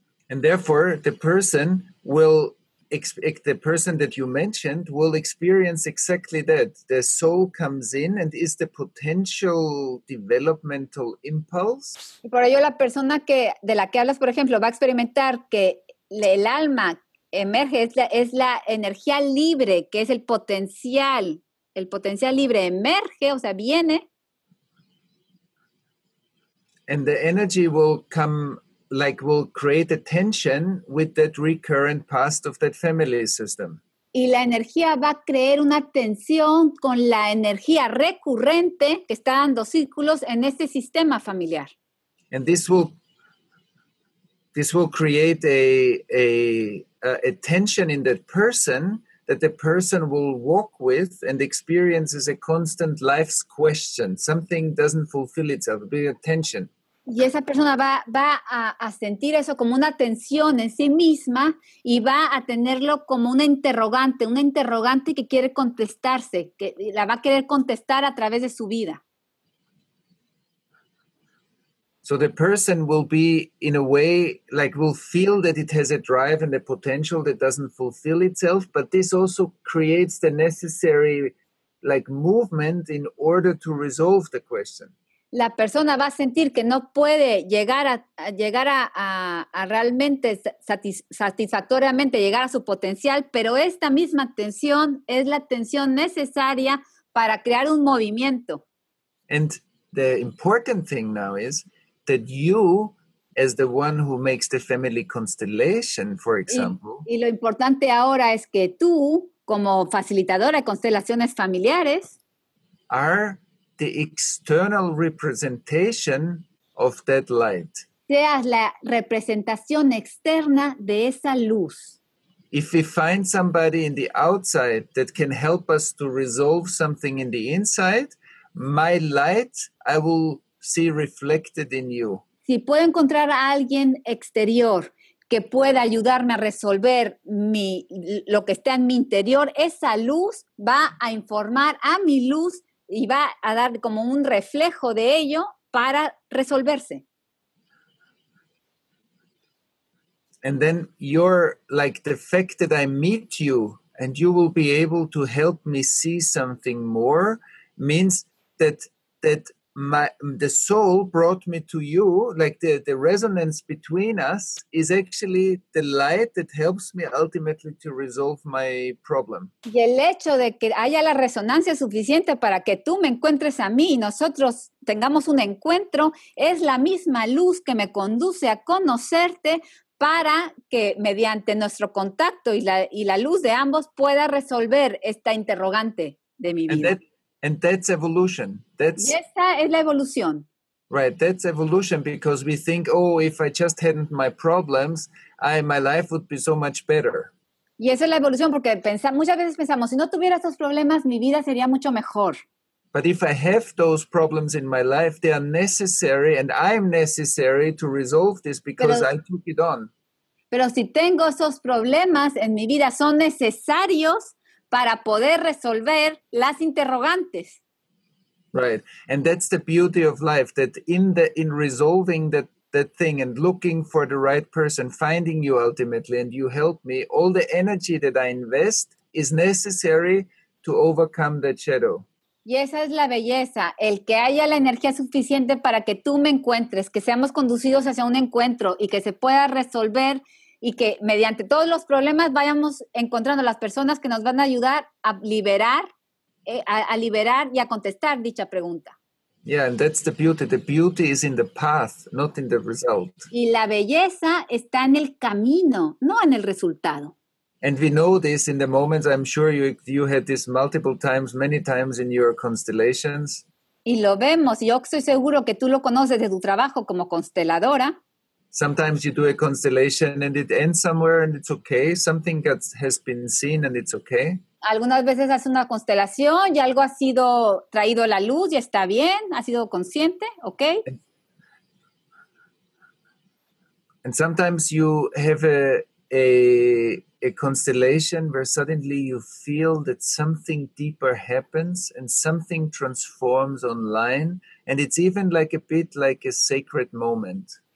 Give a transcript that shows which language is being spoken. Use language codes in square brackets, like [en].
[en] And therefore, the person that you mentioned will experience exactly that. Their soul comes in and is the potential developmental impulse. [es] Y por ello la persona que de la que hablas, por ejemplo, va a experimentar que el alma emerge, es la energía libre, que es el potencial libre emerge, o sea, viene. [en] And the energy will come, like will create a tension with that recurrent past of that family system. [es] Y la energía va a crear una tensión con la energía recurrente que está dando círculos en este sistema familiar. [en] And this will create a tension in that person that the person will walk with and experiences a constant life's question. Something doesn't fulfill itself, a big tension. [es] Y esa persona va a sentir eso como una tensión en sí misma y va a tenerlo como una interrogante que quiere contestarse, que la va a querer contestar a través de su vida. [en] So the person will be in a way, like will feel that it has a drive and a potential that doesn't fulfill itself, but this also creates the necessary like movement in order to resolve the question. [es] La persona va a sentir que no puede llegar a realmente satisfactoriamente llegar a su potencial, pero esta misma tensión es la tensión necesaria para crear un movimiento. [en] And the important thing now is that you, as the one who makes the family constellation, for example. [es] Y lo importante ahora es que tú, como facilitadora de constelaciones familiares, [en] are the external representation of that light. [es] Seas la representación externa de esa luz. [en] If we find somebody in the outside that can help us to resolve something in the inside, my light I will see reflected in you. [es] Si puedo encontrar a alguien exterior que pueda ayudarme a resolver lo que está en mi interior, esa luz va a informar a mi luz y va a dar como un reflejo de ello para resolverse. [en] And then you're like the fact that I meet you and you will be able to help me see something more means that the soul brought me to you, like the resonance between us is actually the light that helps me ultimately to resolve my problem. [es] Y el hecho de que haya la resonancia suficiente para que tú me encuentres a mí y nosotros tengamos un encuentro es la misma luz que me conduce a conocerte para que mediante nuestro contacto y la luz de ambos pueda resolver esta interrogante de mi vida. [en] And that's evolution. [es] Y esa es la evolución. [en] Right, that's evolution because we think, oh, if I just hadn't my problems, my life would be so much better. [es] Y esa es la evolución porque muchas veces pensamos, si no tuviera estos problemas, mi vida sería mucho mejor. [en] But if I have those problems in my life, they are necessary and I'm necessary to resolve this because I took it on. [es] Pero si tengo esos problemas en mi vida, son necesarios para poder resolver las interrogantes. [en] Right. And that's the beauty of life, that in resolving that thing and looking for the right person, finding you ultimately, and you help me, all the energy that I invest is necessary to overcome that shadow. [es] Y esa es la belleza, el que haya la energía suficiente para que tú me encuentres, que seamos conducidos hacia un encuentro y que se pueda resolver y que mediante todos los problemas vayamos encontrando las personas que nos van a ayudar a liberar y a contestar dicha pregunta. [en] Yeah, and that's the beauty. The beauty is in the path, not in the result. [es] Y la belleza está en el camino, no en el resultado. [en] And we know this in the moments. I'm sure you had this multiple times, many times in your constellations. [es] Y lo vemos. Yo estoy seguro que tú lo conoces de tu trabajo como consteladora. [en] Sometimes you do a constellation and it ends somewhere and it's okay. Something that has been seen and it's okay. [es] Algunas veces hace una constelación y algo ha sido traído a la luz y está bien, ha sido consciente, okay. [en] And sometimes you have a constellation where suddenly you feel that something deeper happens and something transforms online, and it's even like a bit like a sacred moment.